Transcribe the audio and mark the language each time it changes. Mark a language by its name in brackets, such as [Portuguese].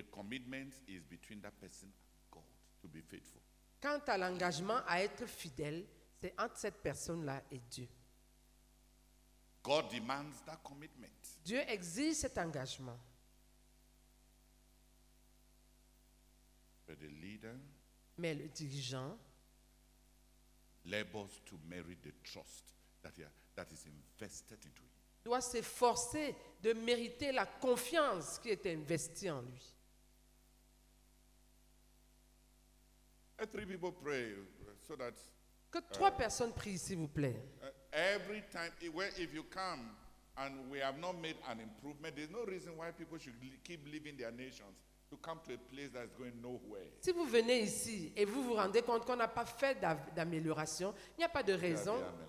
[English] commitment is between that person and God to be faithful. [French] Quant à l'engagement à être fidèle, c'est entre cette personne-là et Dieu. [English] God demands that commitment. [French] Dieu exige cet engagement. [English] But the leader, [French] mais le dirigeant, [English] labors to merit the trust that is invested into him. [French] Doit s'efforcer de mériter la confiance qui est investie en lui. Que trois personnes prient, s'il vous plaît. [English] Every time, if you come and we have not made an improvement, there's no reason why people should keep leaving their nations to come to a place that's going nowhere. [French] Si vous venez ici et vous vous rendez compte qu'on n'a pas fait d'amélioration, il n'y a pas de raison.